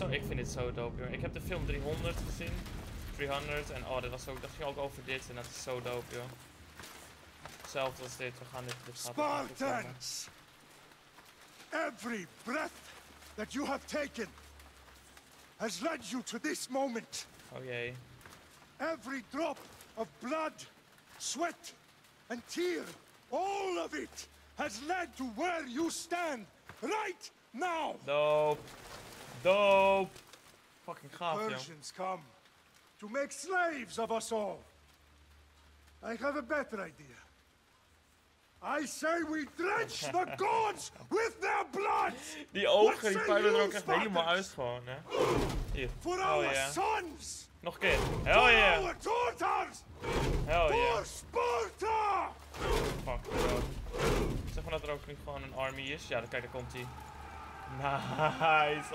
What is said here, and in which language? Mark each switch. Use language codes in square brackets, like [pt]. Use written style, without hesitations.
[nl] Ik vind het zo dope, jongen. Ik heb de film 300 gezien. 300. En oh, dat ging ook over dit. En dat is zo dope, joh. Hetzelfde als dit, we gaan dit [en] Spartans! Every breath that you have taken has led you to this moment. [nl] Oh jee. [en] Every drop of blood, sweat and tear, all of it has led to where you stand right now. [nl] Dope. Fucking gaaf, [en] joh. Persians come to make slaves of us all. I have a better idea. I say we drench the gods with their blood! [nl] Die ogen, die pijlen er ook echt helemaal uit gewoon, hè. Hier. [en] For our sons! [nl] Nog een keer. [en] Hell yeah! For our daughters! Hell yeah! For Sparta! Fuck, god. [nl] Zeg maar dat er ook nu gewoon een army is. Ja, kijk, daar komt hij. Nice!